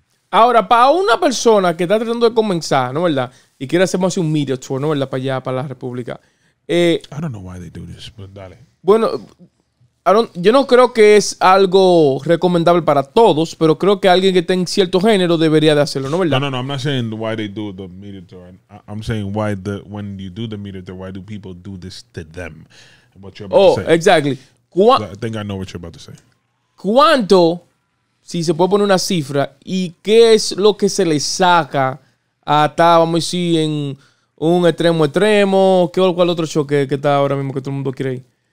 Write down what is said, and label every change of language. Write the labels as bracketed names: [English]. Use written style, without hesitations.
[Spanish] Ahora, para una persona que está tratando de comenzar, ¿no verdad? Y quiere hacer más un media tour, ¿no verdad? Para allá, para la República. [English] I don't know why they do this, but dale. [Spanish] Bueno, yo no creo que es algo recomendable para todos, pero creo que alguien que está en cierto género debería de hacerlo, ¿no verdad? [English] No, I'm not saying why they do the media tour. I'm saying why when you do the media tour, why do people do this to them? What you're about to say. Oh, exactly. I think I know what you're about to say. [Spanish] ¿Cuánto, si se puede poner una cifra, y qué es lo que se le saca a estar, vamos a decir, en un extremo, qué o cuál otro show que está ahora mismo que todo el mundo quiere ir?